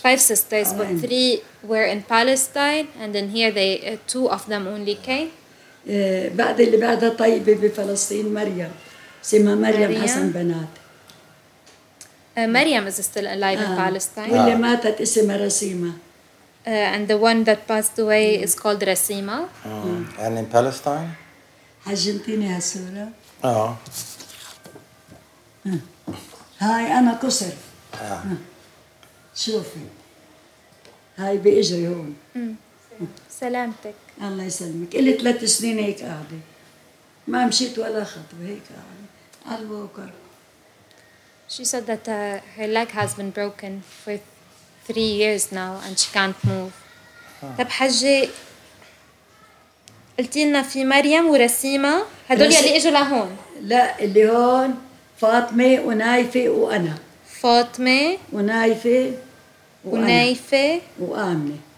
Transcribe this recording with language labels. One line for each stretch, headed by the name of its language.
English: Five sisters, but three were in Palestine and then here they two of them only came.
Arabic: بعد اللي بعدها طيبة بفلسطين مريم. اسمها مريم حسن بنات.
English: مريم is still alive in Palestine.
Arabic: واللي ماتت اسمها رسيمة.
English: And the one that passed away is called رسيمة. And in Palestine?
Arabic: أرجنتيني هالصورة. Oh. هاي أنا كسر. شوفي هاي بإجري هون. سلامتك. الله يسلمك. إلي 3 سنين هيك قاعدة ما مشيت ولا خطوة هيك قاعدة على الوكر.
English: She said that her leg has been broken for 3 years now and she can't move.
Arabic: طب حجي قلتي لنا في مريم ورسيمة هدول يلي إجوا لهون. لا اللي هون فاطمة ونايفة وأنا. فاطمة ونايفة ونايفة وآمنة.